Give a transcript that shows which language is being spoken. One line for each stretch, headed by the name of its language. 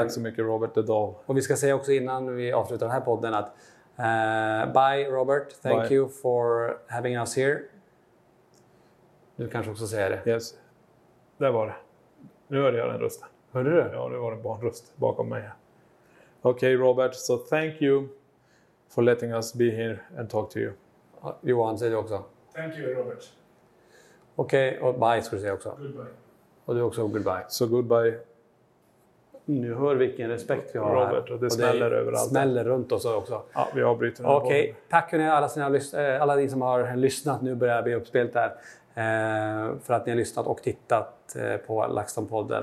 Swedish: Så tack så mycket Robert idag. Och vi ska säga också innan vi avslutar den här podden att
English: bye Robert, thank bye. You for having us here.
Swedish: Du kanske också säger det. Yes, det var det. Nu hörde jag den rösten. Hörde du? Ja, det var en barnröst bakom mig.
English: Okay Robert, so thank you for letting us be here and talk to you.
Swedish: Johan, säger du också.
English: Thank you Robert.
Swedish: Okay, och bye ska du säga också.
English: Goodbye.
Swedish: Och du också goodbye.
English: So goodbye.
Swedish: Nu hör vilken respekt vi har Robert, här. Och det smäller överallt. Smäller runt oss också. Ja, vi avbryter. Okej, tack hörni alla ni som har lyssnat. Nu börjar jag bli uppspelt här. För att ni har lyssnat och tittat på LaxTon-podden.